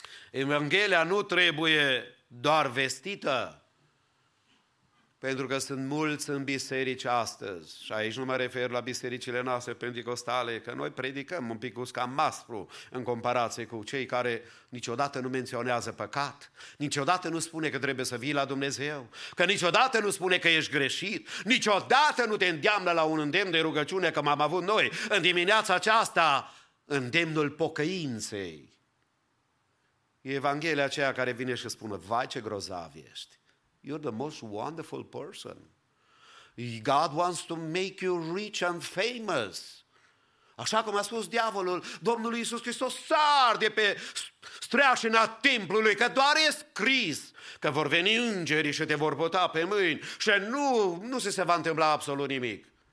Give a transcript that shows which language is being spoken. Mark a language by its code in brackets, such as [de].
[ro] Evanghelia nu trebuie doar vestită, pentru că sunt mulți în biserici astăzi, și aici nu mă refer la bisericile noastre pentecostale, că noi predicăm un pic cam maspru în comparație cu cei care niciodată nu menționează păcat, niciodată nu spune că trebuie să vii la Dumnezeu, că niciodată nu spune că ești greșit, niciodată nu te îndeamnă la un îndemn de rugăciune, că m-am avut noi în dimineața aceasta, îndemnul pocăinței. E Evanghelia aceea care vine și spune, vai ce grozav ești. [en] You're the most wonderful person. God wants to make you rich and famous. [ro] Așa cum a spus diavolul, Domnul Iisus Hristos, sar de pe streașina templului, că doar e scris că vor veni îngerii și te vor băta pe mâini și nu se va întâmpla absolut nimic.